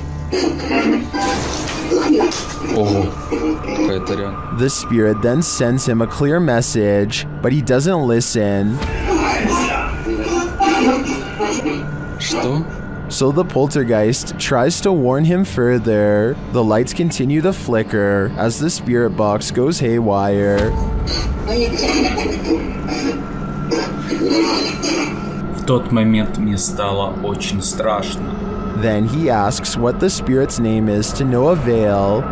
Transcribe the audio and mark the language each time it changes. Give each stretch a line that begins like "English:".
English: The spirit then sends him a clear message, but he doesn't listen. So the poltergeist tries to warn him further. The lights continue to flicker as the spirit box goes haywire.
Russian: В тот момент мне стало очень страшно.
English: Then he asks what the spirit's name is to no avail.